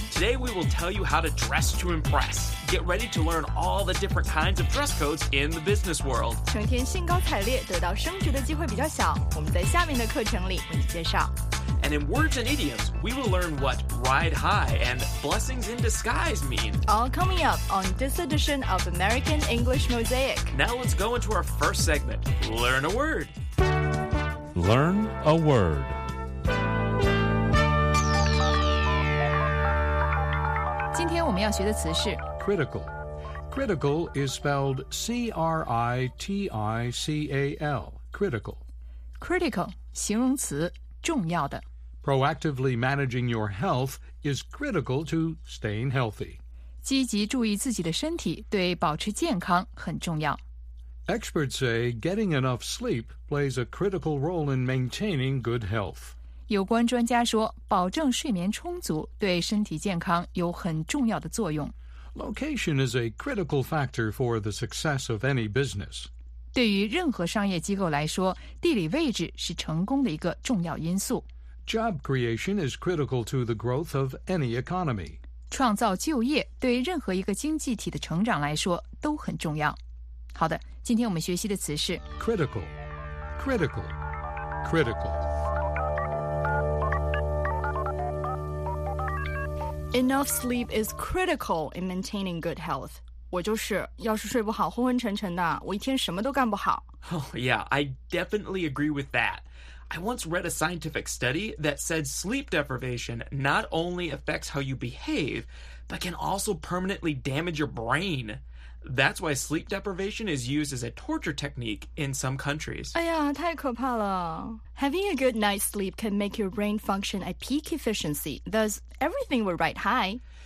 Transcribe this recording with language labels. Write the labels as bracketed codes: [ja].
[en] Today we will tell you how to dress to impress. Get ready to learn all the different kinds of dress codes in the business world. [zh] 成天兴高采烈，得到升职的机会比较小。我们在下面的课程里为你介绍。 [en] And in words and idioms, we will learn what ride high and blessings in disguise mean. All coming up on this edition of American English Mosaic. Now let's go into our first segment, Learn a Word. Learn a Word. Today we're going to learn the word critical. Critical is spelled C-R-I-T-I-C-A-L, critical. [zh] Critical, 形容词,重要的。 [en] Proactively managing your health is critical to staying healthy. [zh] 积极注意自己的身体对保持健康很重要。 [en] Experts say getting enough sleep plays a critical role in maintaining good health. [zh] 有关专家说,保证睡眠充足对身体健康有很重要的作用。 [en] Location is a critical factor for the success of any business. [zh] 对于任何商业机构来说,地理位置是成功的一个重要因素。 [en] Job creation is critical to the growth of any economy. [zh] 创造就业对任何一个经济体的成长来说都很重要。好的，今天我们学习的词是 [en] critical, critical, critical. Enough sleep is critical in maintaining good health. [zh] 我就是，要是睡不好，昏昏沉沉的，我一天什么都干不好。 [en] Oh, yeah, I definitely agree with that. I once read a scientific study that said sleep deprivation not only affects how you behave, but can also permanently damage your brain. That's why sleep deprivation is used as a torture technique in some countries. [zh] 哎呀，太可怕了。 [en] Having a good night's sleep can make your brain function at peak efficiency, thus everything will ride high.